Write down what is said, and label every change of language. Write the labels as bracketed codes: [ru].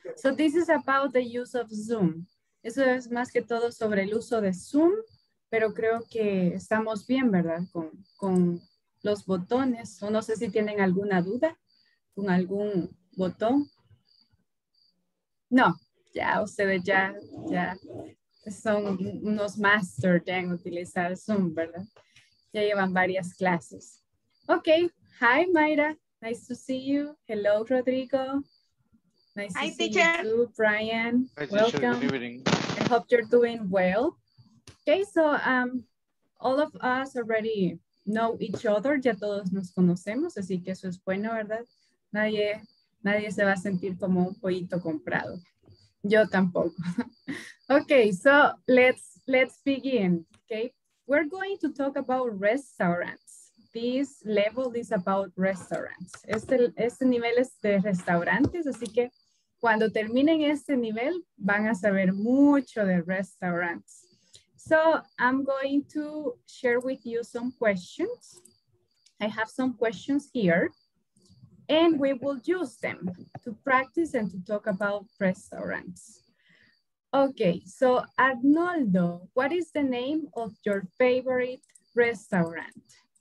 [en] So this is about the use of Zoom. [es] Eso es más que todo sobre el uso de Zoom, pero creo que estamos bien, ¿verdad? Con los botones. O no sé si tienen alguna duda con algún botón. No, ya ustedes ya son unos master ya en utilizar Zoom, ¿verdad? Ya llevan varias clases. [en] Ok, hi Mayra, nice to see you. Hello Rodrigo. Nice Hi, to teacher. See you too, Brian. Hi, welcome. Good evening. I hope you're doing well. Okay, so all of us already know each other. [es] Ya todos nos conocemos, así que eso es bueno, ¿verdad? Nadie se va a sentir como un pollito comprado. Yo tampoco. [en] Okay, so let's begin. Okay, we're going to talk about restaurants. This level is about restaurants. [es] Este nivel es de restaurantes, así que cuando terminen este nivel, van a saber mucho de restaurants. [en] So I'm going to share with you some questions. I have some questions here and we will use them to practice and to talk about restaurants. Okay, so Arnoldo, what is the name of your favorite restaurant?